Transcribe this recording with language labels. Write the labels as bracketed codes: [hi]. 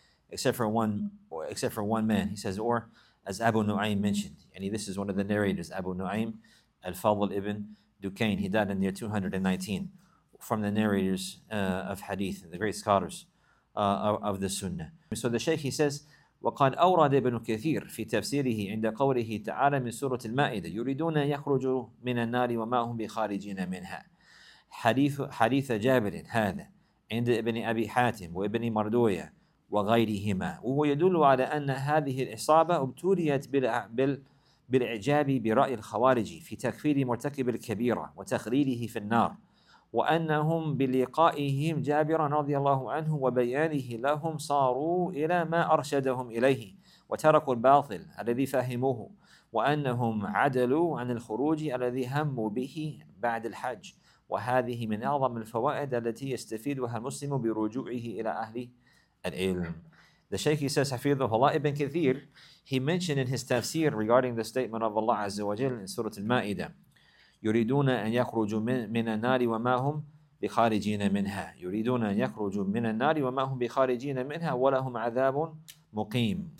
[en] He says, or as Abu Nu'aym mentioned, and this is one of the narrators, Abu Nu'aym al-Fadl ibn Dukayn. He died in the year 219 from the narrators of hadith, the great scholars of the sunnah. So the shaykh, he says, [ar] وَقَدْ أَوْرَدَ ابْنُ كَثِيرٍ فِي تَفْسِيرِهِ عِنْدَ قَوْلِهِ تَعَالَى مِنْ سُورَةِ الْمَائِدَةِ يُرِيدُونَ يَخْرُجُوا مِنَ النَّارِ وَمَا هُمْ بِخَارِجِينَ مِنْهَا. حديث جابر هذا عند ابن أبي حاتم وابن مردويه وغيرهما وهو يدل على أن هذه الإصابة ابتليت بالإعجاب برأي الخوارج في تكفير مرتكب الكبيرة وتخليله في النار وأنهم بلقائهم جابرا رضي الله عنه وبيانه لهم صاروا إلى ما أرشدهم إليه وتركوا الباطل الذي فهموه وأنهم عدلوا عن الخروج الذي هموا به بعد الحج وهذه من أعظم الفوائد التي يستفيدها المسلم برجوعه إلى أهله. [en] The Shaykh, he says, Hafidhullah ibn Kathir, he mentioned in his tafsir regarding the statement of Allah Azza wa Jal in Surah Al-Ma'idah, [ar] يُرِيدُونَ أَنْ يَخْرُجُوا مِنَ النَّارِ وَمَا هُمْ بِخَارِجِينَ مِنْهَا يُرِيدُونَ أَنْ يَخْرُجُوا مِنَ النَّارِ وَمَا هُمْ بِخَارِجِينَ مِنْهَا وَلَهُمْ عَذَابٌ مُقِيمٌ.